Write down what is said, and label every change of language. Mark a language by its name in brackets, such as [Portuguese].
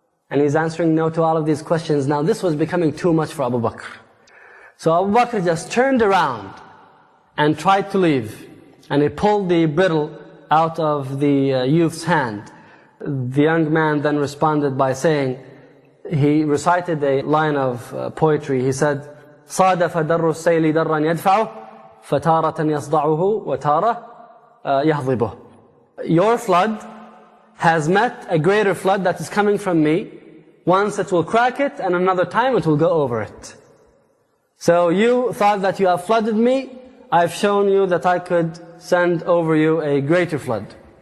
[English] And he's answering no to all of these questions. Now this was becoming too much for Abu Bakr. So Abu Bakr just turned around and tried to leave. And he pulled the bridle out of the youth's hand. The young man then responded by saying, he recited a line of poetry. He said, [Arabic] صَادَفَ دَرُّ السَّيْلِ دَرًّا يَدْفَعُ فَتَارَةً يَصْدَعُهُ وَتَارَةً يَهْضِبُهُ. [English] Your flood has met a greater flood that is coming from me. Once it will crack it, and another time it will go over it. So you thought that you have flooded me, I've shown you that I could send over you a greater flood.